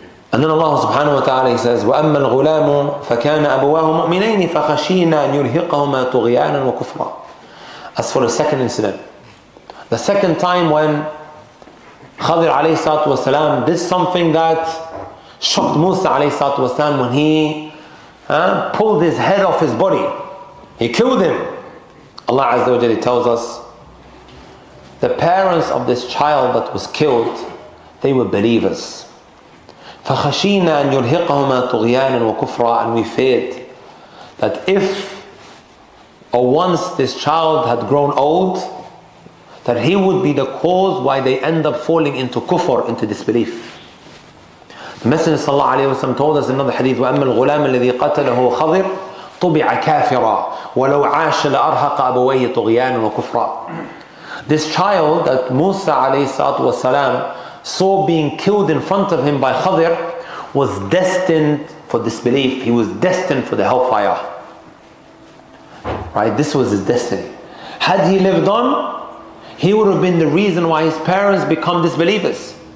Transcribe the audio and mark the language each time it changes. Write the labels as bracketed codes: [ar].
[en] And then Allah subhanahu wa ta'ala, he says, [ar] وَأَمَّا الْغُلَامُ فَكَانَ أَبُوَاهُ مُؤْمِنَيْنِ فَخَشِينَا أَنْ يُلْهِقَهُمَا طُغْيَانًا وَكُفْرًا. [en] As for the second incident, the second time when Khadir alayhi salatu wasalam did something that shocked Musa alayhi salatu wasalam, when he pulled his head off his body, he killed him. Allah Azza wa Jalla tells us, the parents of this child that was killed, they were believers. [ar] فَخَشِينَا أَنْ يُلْهِقَهُمَا طُغْيَانًا وَكُفْرًا. [en] And we feared that if or once this child had grown old, that he would be the cause why they end up falling into kufr, into disbelief. The Messenger sallallahu alayhi wasallam told us in another hadith, [ar] وَأَمَّا الْغُلَامَ الَّذِي قَتَلَهُ خَضِرْ طُبِعَ كَافِرًا وَلَوْ عَاشَ لَأَرْهَقَ أَبَوَيْهِ طُغْيَانًا وَكُفْرًا. [en] This child that Musa alayhi salatu wasalam saw being killed in front of him by Khadir was destined for disbelief. He was destined for the hellfire. Right? This was his destiny. Had he lived on, he would have been the reason why his parents become disbelievers.